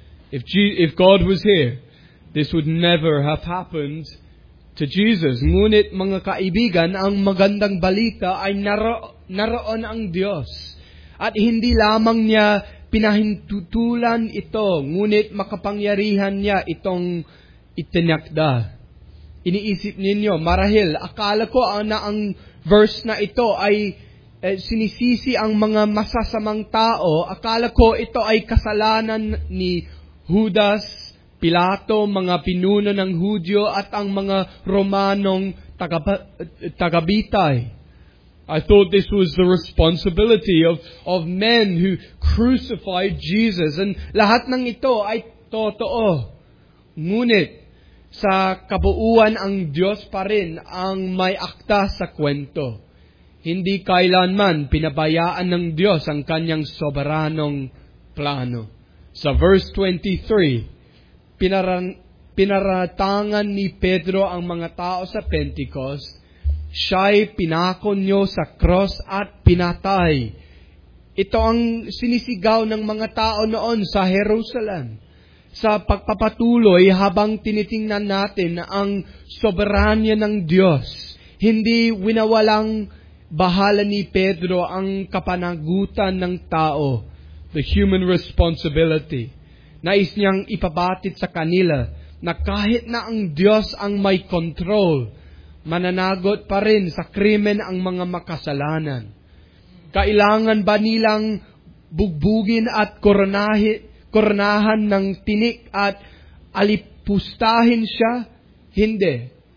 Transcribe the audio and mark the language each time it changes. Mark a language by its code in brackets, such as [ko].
[en] If God was here, this would never have happened to Jesus. [tl] Ngunit mga kaibigan, ang magandang balita ay naroon ang Diyos. At hindi lamang niya pinahintutulan ito, ngunit makapangyarihan niya itong itinakda. Iniisip ninyo, marahil, akala ko na ang verse na ito ay sinisisi ang mga masasamang tao. Akala ko ito ay kasalanan ni Judas, Pilato, mga pinuno ng Hudyo at ang mga Romanong tagabitay. [en] I thought this was the responsibility of men who crucified Jesus. [tl] And lahat ng ito ay totoo. Ngunit, sa kabuuan ang Diyos pa rin ang may akta sa kwento. Hindi kailanman pinabayaan ng Diyos ang kanyang soberanong plano. Sa verse 23, pinaratangan ni Pedro ang mga tao sa Pentecost, siya'y pinakonyo sa cross at pinatay. Ito ang sinisigaw ng mga tao noon sa Jerusalem. Sa pagpapatuloy habang tinitingnan natin ang soberanya ng Diyos, hindi winawalang bahala ni Pedro ang kapanagutan ng tao, [en] the human responsibility. [tl] Nais niyang ipabatid sa kanila na kahit na ang Diyos ang may control, mananagot pa rin sa krimen ang mga makasalanan. Kailangan ba nilang bugbugin at koronahan ng tinik at alipustahin siya? Hindi.